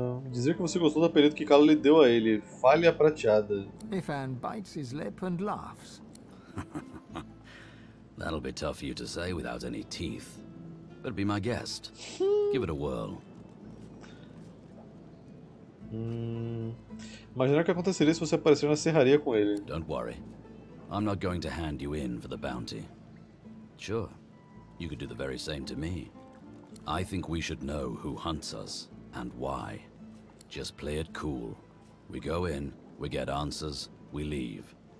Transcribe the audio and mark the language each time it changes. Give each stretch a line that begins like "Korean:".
Portuguese: Dizer que você gostou do apelido que Callow lhe deu a ele, Falha Prateada.
English: Ifan bites his lip and laughs. That'll be tough for you to say without any teeth. But be my guest. Give it a whirl.
Portuguese: Imagina o que aconteceria se você aparecer na serraria com ele.
English: Don't worry. I'm not going to hand you in for the bounty. Sure. You could do the very same to me. I think we should know who hunts us and why. Just play it cool. We go in, we get answers, we leave.